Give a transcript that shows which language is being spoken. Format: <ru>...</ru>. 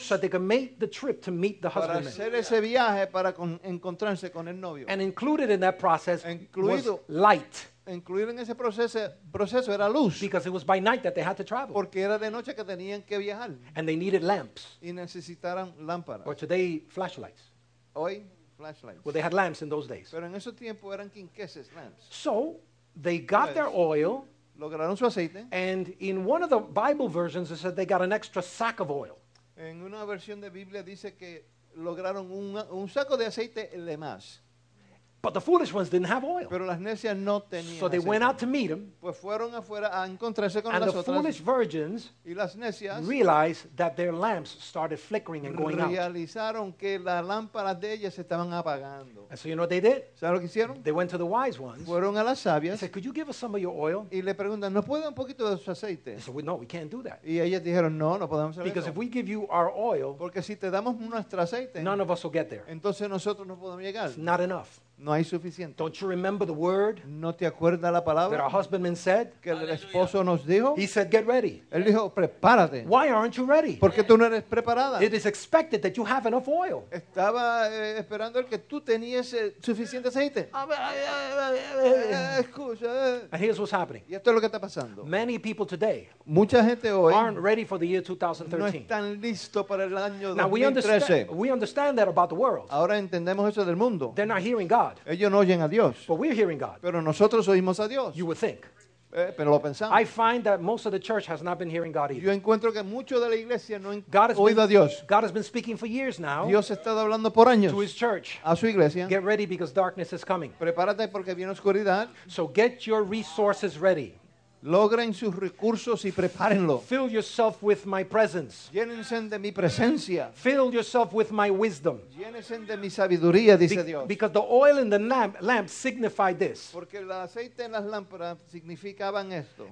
<en>so they could make the trip to meet the husband.</en> <es>Para hacer ese viaje para encontrarse con el novio.</es> <en>And included in that process,</en> <es>incluido,</es> <en>was light.</en> <es>Incluido en ese proceso era luz.</es> <en>Because it was by night that they had to travel.</en> <es>Porque era de noche que tenían que viajar.</es> <en>And they needed lamps.</en> <es>Y necesitaron lámparas.</es> <en>Or today, flashlights.</en> <es>Hoy, flashlights.</es> <en>Well, they had lamps in those days.</en> <es>Pero en ese tiempo eran quinqueses, lamps.</es> <en>So, they got their oil.</en> <es>Lograron su aceite.</es> <en>And in one of the Bible versions, it said they got an extra sack of oil.</en> <es>En una versión de Biblia dice que lograron un saco de aceite de más.</es> <en>But the foolish ones didn't have oil.</en> <es>Pero las necias no tenían</es> <en>aceite. So they went out to meet him.</en> <es>Pues fueron afuera a encontrarse con las otras.</es> <en>And the foolish virgins,</en> <es>y las necias,</es> <en>realized that their lamps started flickering and going out.</en> <es>Realizaron que las lámparas de ellas estaban apagando.</es> <en>And so you know what they did?</en> <es>¿Saben lo que hicieron?</es> <en>They went to the wise ones.</en> <es>Fueron a las sabias.</es> <en>They said, could you give us some of your oil?</en> <es>Y le preguntan, ¿no puede un poquito de su aceite?</es> <en>They said, well, no, we can't do that.</en> <es>Y ellas dijeron, no, no podemos hacer</es> <en>Because</en> <es>eso.</es> <en>If we give you our oil,</en> <es>porque si te damos nuestro aceite,</es> <en>none of us will get there.</en> <es>Entonces nosotros no podemos llegar.</es> <en>It's not enough.</en> <es>No hay suficiente.</es> <en>Don't you remember the word?</en> <es>¿No te acuerdas la palabra?</es> <en>That our husbandman said.</en> <es>Que el Aleluya. Esposo nos dijo.</es> <en>He said, get ready.</en> <es>Él dijo, prepárate.</es> <en>Why aren't you ready?</en> <es>¿Por qué tú no eres preparada?</es> <en>It is expected that you have enough oil.</en> <es>Estaba esperando el que tú tenías suficiente aceite. Escucha.</es> <en>And here's what's happening.</en> <es>Y esto es lo que está pasando.</es> <en>Many people today.</en> <es>Mucha gente hoy.</es> <en>Aren't ready for the year 2013.</en> <es>No están listos para el año</es> <en>2013. Now we understand that about the world.</en> <es>Ahora entendemos eso del mundo.</es> <en>They're not hearing God.</en> <es>Ellos no oyen a Dios.</es> <en>But we're hearing God.</en> <es>Pero nosotros oímos a Dios.</es> <en>You would think.</en> <es>Pero lo pensamos.</es> <en>I find that most of the church has not been hearing God either.</en> <es>Yo encuentro que mucho de la iglesia no ha oído a Dios.</es> <en>God has been speaking for years now.</en> <es>Dios ha estado hablando por años.</es> <en>To his church.</en> <es>A su iglesia.</es> <en>Get ready because darkness is coming.</en> <es>Prepárate porque viene oscuridad.</es> <en>So get your resources ready.</en> <es>Logren sus recursos y prepárenlo.</es> <en>Fill yourself with my presence.</en> <es>Llénense de mi presencia.</es> <en>Fill yourself with my wisdom.</en> <es>Llénense de mi sabiduría, dice Dios.</es> <en>Because the oil in the lamp signified this.</en> <es>Porque el aceite en las lámparas significaban esto.</es>